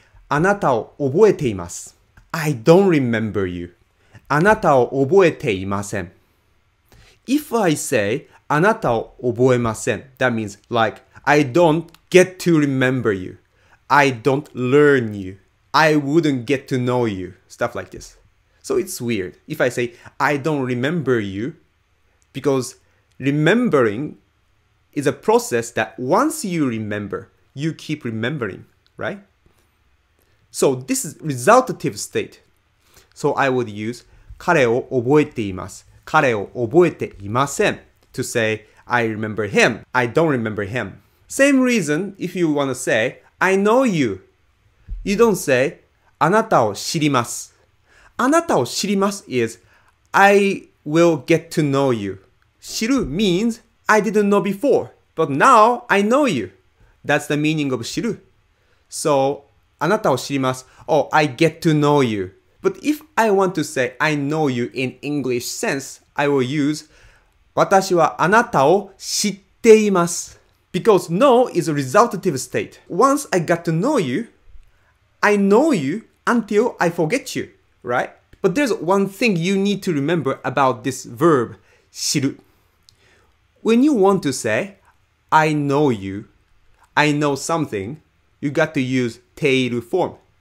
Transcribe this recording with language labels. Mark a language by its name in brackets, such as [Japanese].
[Japanese] あなたを覚えています。 [English] I don't remember you. [Japanese] あなたを覚えていません。 [English] If I say [Japanese] あなたを覚えません, [English] that means like I don't get to remember you. I don't learn you. I wouldn't get to know you. Stuff like this. So it's weird. If I say I don't remember you because rememberingis a process that once you remember, you keep remembering, right? So this is resultative state. So I would use [Japanese] 彼を覚えています。彼を覚えていません。 [English] To say, I remember him. I don't remember him. Same reason if you want to say, I know you. You don't say, [Japanese] あなたを知ります。あなたを知ります [English] is, I will get to know you. 知る means, I didn't know before, but now I know you. That's the meaning of 知る。 [Japanese] So, あなたを知ります。 [English] Oh, I get to know you. But if I want to say I know you in English sense, I will use [Japanese] 私はあなたを知っています。 [English] Because know is a resultative state. Once I got to know you until I forget you, right? But there's one thing you need to remember about this verb, 知る。 When you want to say I know you, I know something,You got to use teiru form.